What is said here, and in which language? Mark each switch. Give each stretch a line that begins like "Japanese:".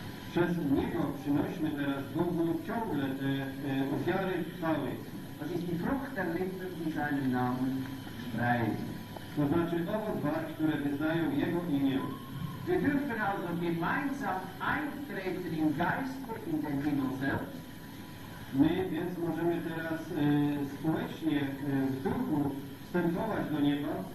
Polish: przez Niego przynośmy teraz Bogu ciągle te ofiary chwały.
German: Das ist die Frucht der Lippen, die seinen Namen sprechen.
Polish: To znaczy owoc wart, które wyznają Jego imię.
German: Wir dürfen also gemeinsam eintreten im Geist und in den Himmel selbst.
Polish: My więc możemy teraz społecznie w duchu wstępować do nieba.